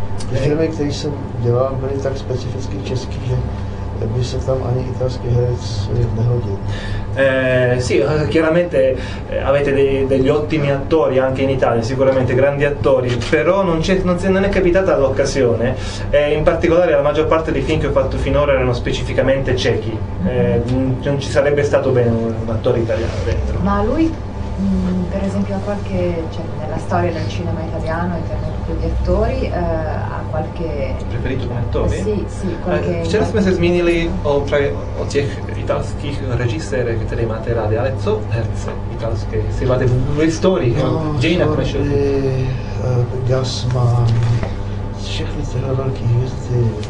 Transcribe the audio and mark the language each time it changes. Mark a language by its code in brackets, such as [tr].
[cs] Ty filmy, které jsem dělal, byly tak specificky český, že by se tam ani italský herec nehodil. [it] Sì, chiaramente avete degli ottimi attori anche in Italia, sicuramente grandi attori, però non è capitata l'occasione. In particolare la maggior parte dei film che ho fatto finora erano specificamente ciechi. Non ci sarebbe stato bene un attore italiano dentro. Ma lui? Per esempio, nella storia del cinema italiano, in termini di attori, ha qualche... Preferito come attore? Sì, qualche... [cs] Včera jsme se zmínili o těch italských režisérech, které máte rádi, ale co herce italské? Si máte v historii, dějinách našeho? Jordi Gassman, všechny tyhle velké hvězdy.